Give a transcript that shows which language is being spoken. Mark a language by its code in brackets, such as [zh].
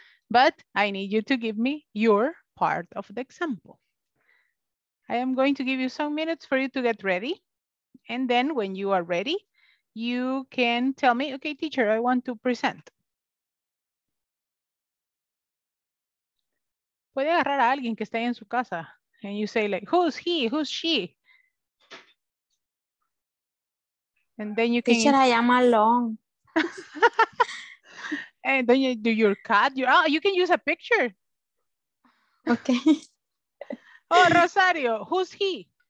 [en] But I need you to give me your part of the example. I am going to give you some minutes for you to get ready. And then when you are ready, you can tell me, okay, teacher, I want to present. [es] Puede agarrar a alguien que esté en su casa. [en] And you say like, who's he, who's she? And then you can- Teacher, I am alone. And then you do your cat, your, oh, you can use a picture. Okay. Oh, Rosario, who's he?